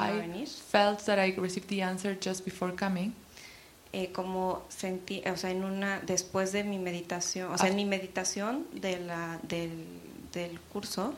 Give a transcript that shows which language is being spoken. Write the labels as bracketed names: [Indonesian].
[English] I [Spanish] iba a venir. [English] I felt that I received the answer just before coming. [Spanish] Como sentí, o sea, en una, después de mi meditación, o sea, en mi meditación de la, del curso.